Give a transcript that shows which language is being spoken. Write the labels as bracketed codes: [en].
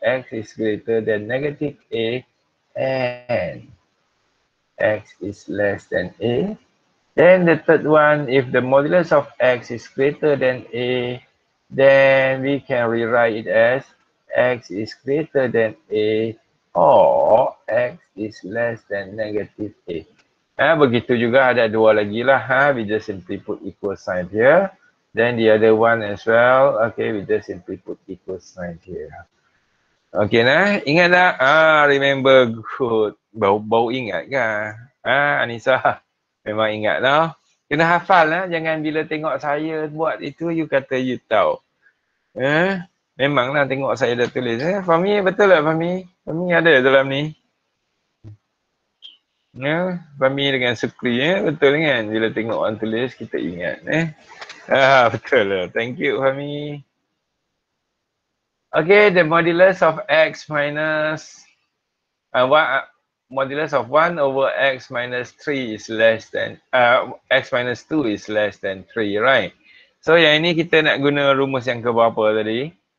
[en] X is greater than negative A and X is less than A. Then the third one, if the modulus of X is greater than A, then we can rewrite it as X is greater than A or X is less than negative A. [ms] Begitu juga ada dua lagi lah. [en] We just simply put equal sign here. Then the other one as well. Okay, we just simply put equal sign here. Okay, nah. [ms] Ingat tak? [en] Remember good. [ms] Bau ingat kan? Anissa. Memang ingat lah. Kena hafal lah. Jangan bila tengok saya buat itu, you kata you tahu. Memanglah tengok saya dah tulis. Fahmi, betul lah Fahmi? Fahmi ada dalam ni? Fahmi dengan Sukri, betul kan? Bila tengok orang tulis, kita ingat. Betul lah. [en] Thank you Fahmi. Okay, the modulus of X minus modulus of 1 over x minus 3 is less than x minus 2 is less than 3, right? [ms] So yang ini kita nak guna rumus yang keberapa tadi?